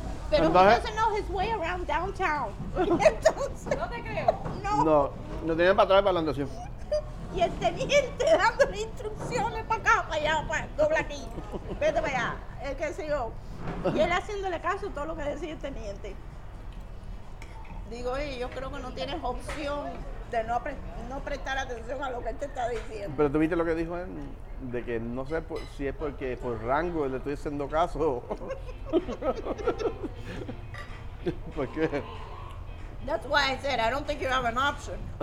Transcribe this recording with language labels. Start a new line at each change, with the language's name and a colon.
Spanish: Pero entonces,
English: he doesn't know his way around downtown.
Spanish: Entonces, no te creo. No. No tenía para atrás para la andación. Y el teniente dándole instrucciones para acá, para allá, para doble aquí. Vete para allá. Es que sé yo. Y él haciéndole caso a todo lo que decía el teniente. Digo, yo creo que no tienes opción de no prestar atención a lo que él te está diciendo. Pero tú viste lo que dijo él. De que no sé si es porque por rango le estoy haciendo caso. ¿Por qué?
English: That's why I said, I don't think you have an option.